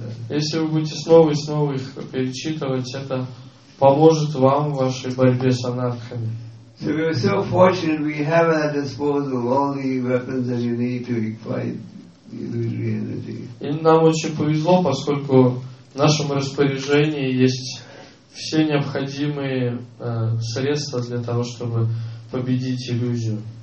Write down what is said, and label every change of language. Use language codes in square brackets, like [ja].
[ru] Если вы будете снова и снова их перечитывать, это поможет вам в вашей борьбе с анархами. [en] So we are so fortunate we have at our disposal all the weapons that you need to fight. [ru] И нам очень повезло, поскольку в нашем распоряжении есть все необходимые средства для того, чтобы победить иллюзию.